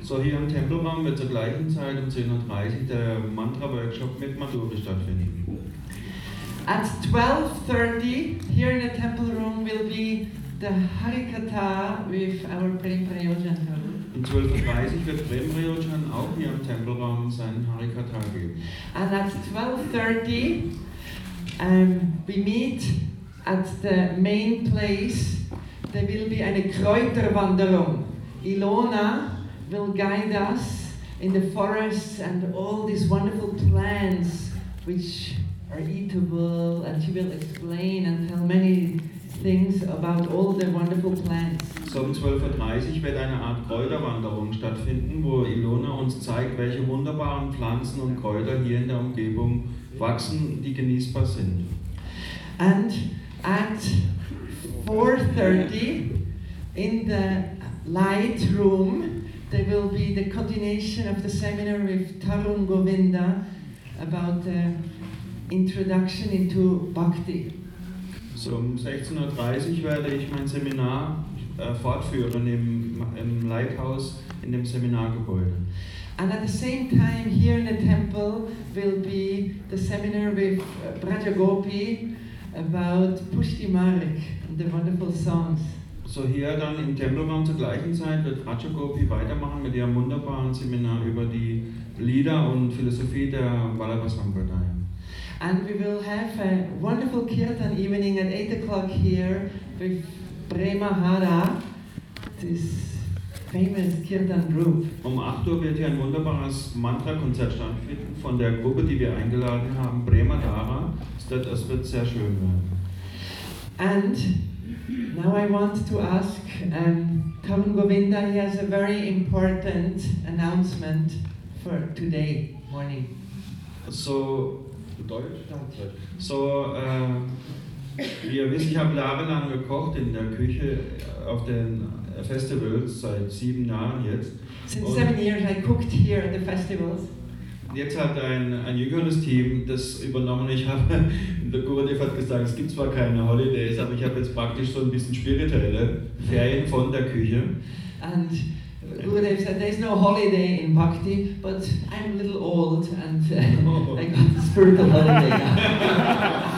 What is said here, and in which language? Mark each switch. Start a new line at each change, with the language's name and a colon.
German: So hier im Tempelraum wird zur gleichen Zeit um 10:30 der mantra workshop mit Madhuri stattfinden.
English: At 12:30 here in the temple room will be the Harikatha with our Prem Prayojan.
German: Um 12:30 wird Prem Prayojan auch hier im Tempelraum seinen Harikatha geben.
English: And at 12:30 we meet at the main place. There will be
German: eine Kräuterwanderung.
English: Ilona will guide us in the forests and all these wonderful plants which are eatable, and she will explain and tell many things about all the wonderful plants.
German: So um 12:30 wird eine Art Kräuterwanderung stattfinden, wo Ilona uns zeigt, welche wunderbaren Pflanzen und Kräuter hier in der Umgebung wachsen, die genießbar sind.
English: And at 4:30 in the light room, there will be the continuation of the seminar with Tarun Govinda about the introduction into Bhakti.
German: So um 16:30 werde ich mein Seminar fortführen im Lighthouse in dem Seminargebäude.
English: And at the same time here in the temple will be the seminar with Brajagopi about Pushti Marik and the wonderful songs.
German: So hier dann im Tempelraum zur gleichen Zeit wird Brajagopi weitermachen mit ihrem wunderbaren Seminar über die Lieder und Philosophie der Vallabha Sampradaya.
English: And we will have a wonderful kirtan evening at 8:00 here with Prema Hara, this famous kirtan group.
German: Um 8:00 wird hier ein wunderbares Mantra-Konzert stattfinden von der Gruppe, die wir eingeladen haben, Prema Hara. Das wird sehr schön werden.
English: And now I want to ask Tarun Govinda. He has a very important announcement for today morning. So.
German: Deutsch. So, wie ihr wisst, ich habe jahrelang gekocht in der Küche auf den Festivals, seit 7 Jahren jetzt.
English: Since 7 years I cooked here at the festivals.
German: Jetzt hat ein jüngeres Team das übernommen. Ich habe, der Gurudev hat gesagt, es gibt zwar keine Holidays, aber ich habe jetzt praktisch so ein bisschen spirituelle Ferien von der Küche.
English: And Gurudev said, there's no holiday in Bhakti, but I'm a little old and I got a spiritual holiday.